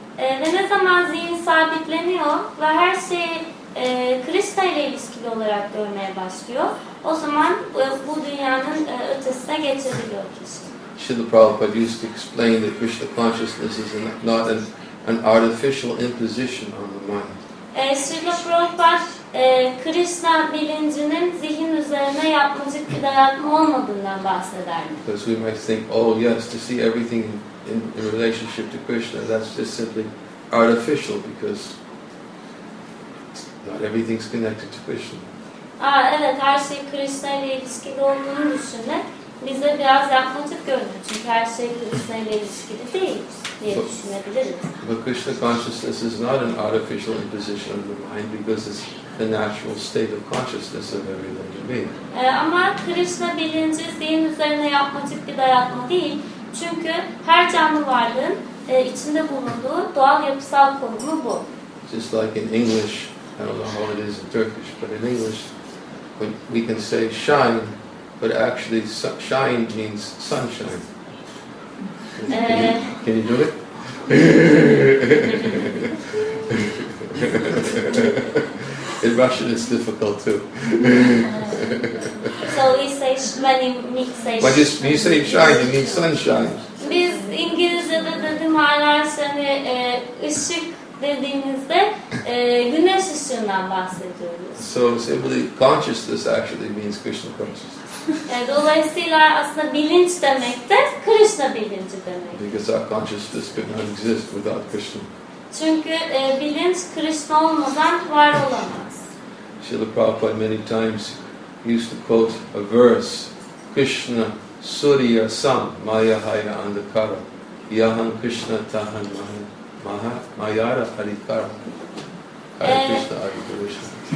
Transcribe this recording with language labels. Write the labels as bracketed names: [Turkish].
[Turkish] Ve ne zaman zihin sabitleniyor ve her şeyi Krishna ile ilişkili olarak görmeye başlıyor, o zaman bu dünyanın ötesine geçebiliyor kişi. [English] Srila Prabhupada used to explain that Krishna consciousness is not an artificial imposition on the mind. [Turkish] Srila Prabhupada Krishna bilincinin zihin üzerine yapmacık bir dayatma olmadığından bahsederdi. [English] Because we might think, oh yes, to see everything in relationship to Krishna, that's just simply artificial because not everything's connected to Krishna. [Turkish] Ah, evet, her şey Krishna ile ilişkili olduğunu düşünmek bize biraz yapmacık görünüyor. Çünkü her şey Krishna ile ilişkili değil diye düşünebiliriz. [English] But Krishna consciousness is not an artificial imposition of the mind because it's the natural state of consciousness of every living being. [Turkish] Ama Krishna bilinci zihin üzerine yapmacık bir dayatma değil. Çünkü her canlı varlığın içinde bulunduğu doğal yapısal konumu bu. [English] Just like in English, I don't know how it is in Turkish, but in English, we can say shine, but actually shine means sunshine. Can you do it? In Russian, it's difficult too. So we say shine. When you say shine, you mean sunshine. [Turkish] Biz İngilizce'de dedim hala seni ışık dediğimizde güneş ışığından bahsediyoruz. [English] So simply consciousness actually means Krishna consciousness. [Turkish] Yani dolayısıyla aslında bilinç demek de Krishna bilinci demek. [English] Because our consciousness could not exist without Krishna. [Turkish] Çünkü bilinç Krishna olmadan var olamaz. [English] Srila Prabhupada many times used to quote a verse, [Sanskrit] Krishna Surya Sam Maya Haya Andhakara Yaham Krishna Tahan Maha Maha Mayara Harikara Hare Krishna [English] Hare Krishna.